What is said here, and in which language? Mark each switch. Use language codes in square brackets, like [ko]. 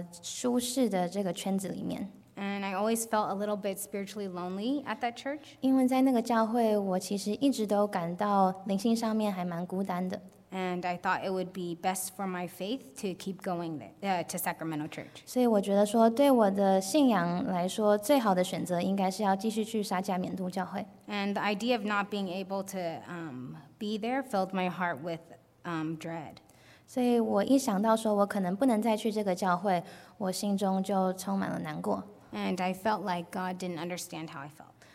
[zh] 不是在我舒适的这个圈子里面。 [en] And I always felt a little bit spiritually lonely at that church. [zh] 因为在那个教会，我其实一直都感到灵性上面还蛮孤单的。 [en] And I thought it would be best for my faith to keep going there, to Sacramento Church. [zh] 所以我觉得说，对我的信仰来说，最好的选择应该是要继续去沙加缅度教会。 [en] And the idea of not being able to be there filled my heart with dread. [zh] 所以我一想到说我可能不能再去这个教会，我心中就充满了难过。 [en] And I felt like God didn't understand how I felt.